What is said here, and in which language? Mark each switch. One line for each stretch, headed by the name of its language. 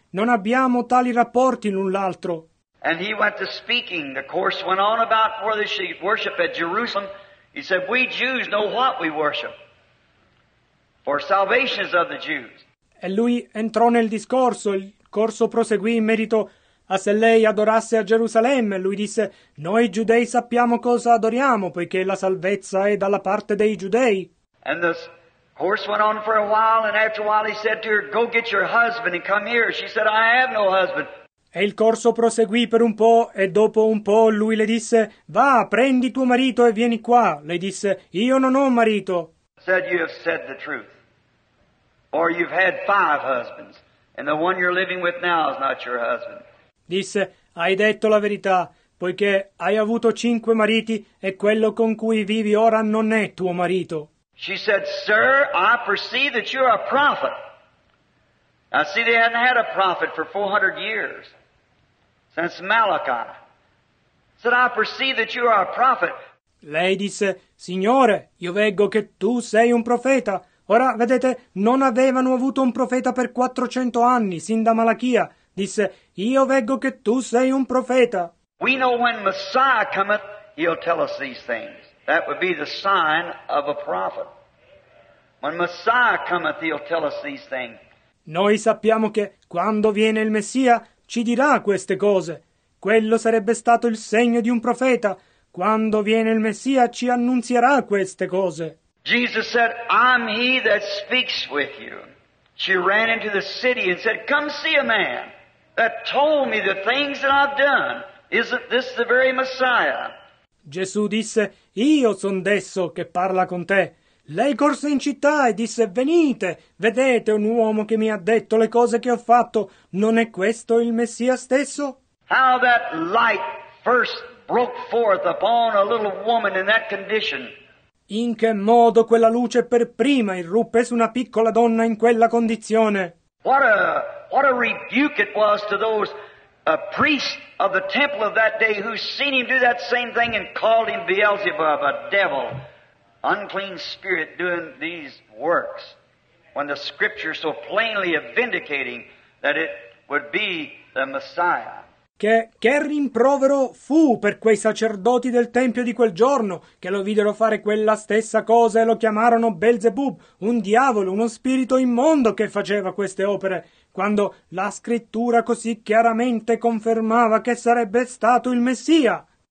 Italian: Non abbiamo tali rapporti l'un l'altro."
English: And he went to speaking. The course went on about whether she worshiped at Jerusalem. He said, "We Jews know what we worship. For salvation is of the Jews."
Italian: E lui entrò nel discorso. Il corso proseguì in merito a se lei adorasse a Gerusalemme. Lui disse, "Noi giudei sappiamo cosa adoriamo, poiché la salvezza è dalla parte dei giudei."
English: And the course went on for a while, and after a while he said to her, "Go get your husband and come here." She said, "I have no husband."
Italian: E il corso proseguì per un po', e dopo un po' lui le disse, "Va, prendi tuo marito e vieni qua." Lei disse, "Io non ho marito."
English: Said, "You have said the truth. Or you've had five husbands, and the one you're living with now is not your husband."
Italian: Disse, "Hai detto la verità, poiché hai avuto cinque mariti, e quello con cui vivi ora non è tuo marito."
English: She said, "Sir, I perceive that you're a prophet. Now see, they hadn't had a prophet for 400 years, since Malachi. Said, I perceive that you are a prophet."
Italian: Lei disse, "Signore, io veggo che tu sei un profeta. Ora, vedete, non avevano avuto un profeta per 400 anni, sin da Malachia. Disse, io veggo che tu sei un profeta."
English: We know when Messiah cometh, he'll tell us these things. That would be the sign of a prophet. When Messiah cometh, he'll tell us these things.
Italian: Noi sappiamo che quando viene il Messia ci dirà queste cose. Quello sarebbe stato il segno di un profeta. Quando viene il Messia ci annunzierà queste cose.
English: Jesus said, "I'm he that speaks with you." She ran into the city and said, "Come see a man that told me the things that I've done. Isn't this the very Messiah?"
Italian: Gesù disse, "Io son desso che parla con te." Lei corse in città e disse, "Venite, vedete un uomo che mi ha detto le cose che ho fatto. Non è questo il Messia stesso?"
English: How that light first broke forth upon a little woman in that condition.
Italian: In che modo quella luce per prima irruppe su una piccola donna in quella condizione.
English: What a rebuke it was to those priests of the temple of that day who seen him do that same thing and called him Beelzebub, a devil. Unclean spirit doing these works, when the scripture so plainly vindicating that it would be the Messiah.
Italian: Che rimprovero fu per quei sacerdoti del tempio di quel giorno che lo videro fare quella stessa cosa e lo chiamarono Beelzebub, un diavolo, uno spirito immondo che faceva queste opere, quando la scrittura così chiaramente confermava che sarebbe stato il Messia.